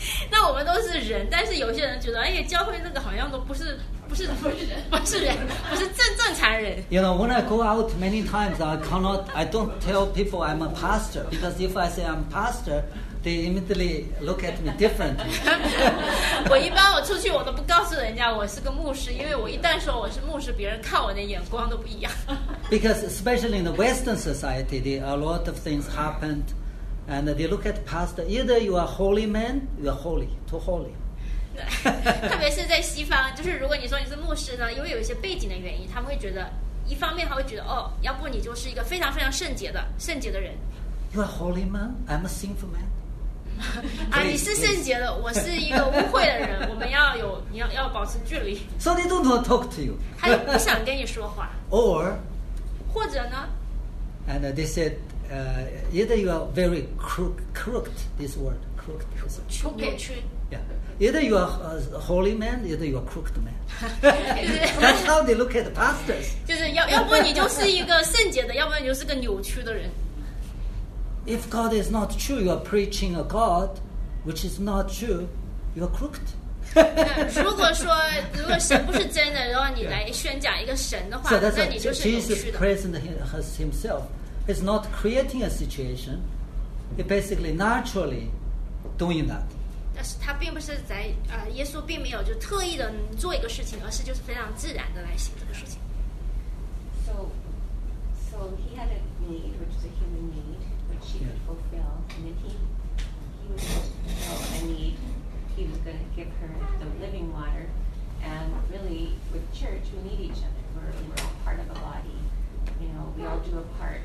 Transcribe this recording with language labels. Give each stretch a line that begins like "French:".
Chinese: 那我们都是人，但是有些人觉得，哎呀，教会那个好像都不是人，不是正常人。
English: You know, when I go out many times, I don't tell people I'm a pastor because if I say I'm pastor. They immediately look at me differently.
Chinese: 我一般我出去我都不告诉人家我是个牧师，因为我一旦说我是牧师，别人看我的眼光都不一样。
English: Because especially in the Western society, a lot of things happened, and they look at pastor. Either you are holy man, you are holy, too holy.
Chinese: 特别是在西方，就是如果你说你是牧师呢，因为有一些背景的原因，他们会觉得，一方面他会觉得哦，要不你就是一个非常非常圣洁的人。
English: You are holy man. I'm a sinful man.
Chinese: 啊，你是圣洁的，我是一个污秽的人。我们要有，你要保持距离。
English: So they don't want to talk to you.
Chinese: 他也不想跟你说话。
English: Or,
Chinese: 或者呢
English: ？And they said, either you are very crooked. This word, crooked. Crooked. Yeah. Either you are a holy man, either you are a crooked man. That's how they look at the pastors.
Chinese: 就是要不你就是一个圣洁的，要不然你就是个扭曲的人。
English: If God is not true, you are preaching a God which is not true, you are crooked.
Chinese: 如果神不是真的，然后你来宣讲一个神的话，
English: so、
Chinese: 那你就是扭曲的。
English: Jesus present himself is not creating a situation. He basically naturally doing that.
Chinese: 但是他并不是在耶稣并没有就特意的做一个事情，而是就是非常自然的来写这个事情。
English: So So he had a need, which is a human need, which he could fulfill, and then he was going to fulfill a need. He was going to give her the living water, and really, with church, we need each other. We're all part of a body. You know, we all do a part.